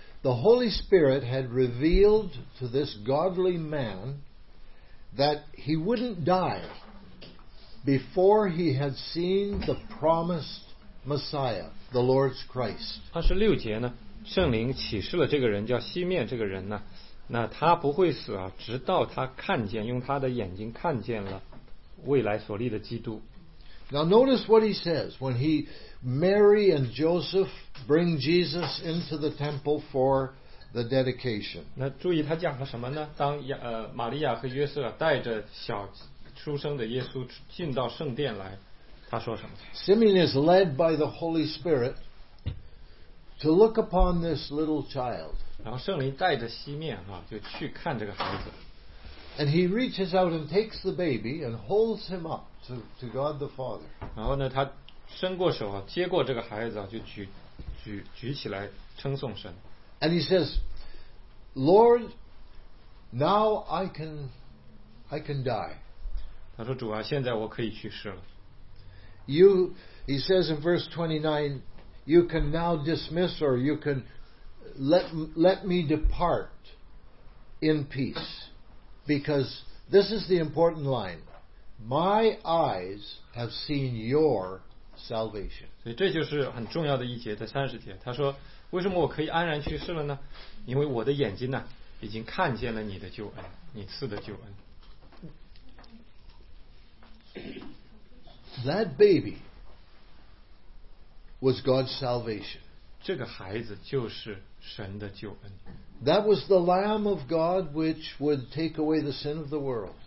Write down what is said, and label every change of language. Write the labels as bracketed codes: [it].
[en] The Holy Spirit had revealed to this godly man that he wouldn't die before he had seen the promised Messiah, the Lord's Christ. [zh] 26节呢，圣灵启示了这个人叫西面这个人呢，那他不会死啊，直到他看见，用他的眼睛看见了未来所立的基督。 [en] Now notice what he says when he, Mary and Joseph bring Jesus into the temple for the dedication. [zh] 那注意他讲了什么呢？当玛利亚和约瑟带着小出生的耶稣进到圣殿来，他说什么 [en] ？Simeon is led by the Holy Spirit to look upon this little child. [zh] 然后圣灵带着西面哈、啊，就去看这个孩子。 [en] And he reaches out and takes the baby and holds him up to God the Father. [zh] 然后呢，他伸过手啊，接过这个孩子啊，就举起来称颂神。 [en] And he says, "Lord, now I can die." [zh] 他说：“主啊，现在我可以去世了。 [en] You," he says in verse 29, "You can now dismiss or you can let me depart in peace." Because this is the important line. My eyes have seen your salvation. [zh] 所以这就是很重要的一节，在三十节，他说，为什么我可以安然去世了呢？因为我的眼睛呢，已经看见了你的救恩，你赐的救恩。 [en] That baby was God's salvation. [zh] 这个孩子就是神的救恩。 [en] That was the Lamb of God which would take away the sin of the world.